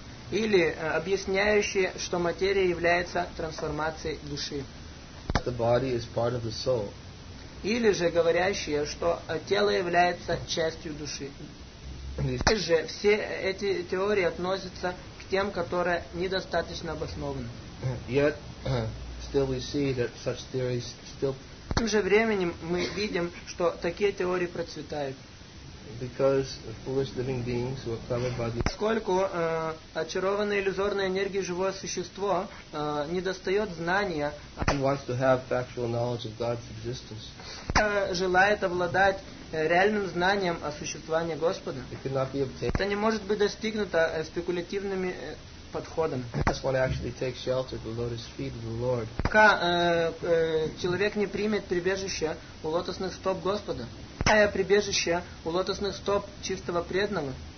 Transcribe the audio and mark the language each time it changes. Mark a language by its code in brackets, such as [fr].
[ru] Или объясняющие, что материя является трансформацией души. [en] The body is part of the soul. [ru] Или же говорящие, что тело является частью души. Или же все эти теории относятся к тем, которые недостаточно обоснованы. [en] Yet, still we see that such theories still... [ru] Тем же временем мы видим, что такие теории процветают. [en] Because the foolish living beings who are covered by the... [ru] Поскольку очарованное иллюзорной энергией живое существо недостает знания [en] and wants to have factual knowledge of God's existence. [ru] Желает обладать реальным знанием о существовании Господа. [en] It cannot be obtained. [ru] Это не может быть достигнуто спекулятивными подходом. [en] Unless one actually takes shelter at the lotus feet of the Lord. [ru] Пока человек не примет прибежище у лотосных стоп Господа. Какое прибежище у лотосных стоп чистого преданного?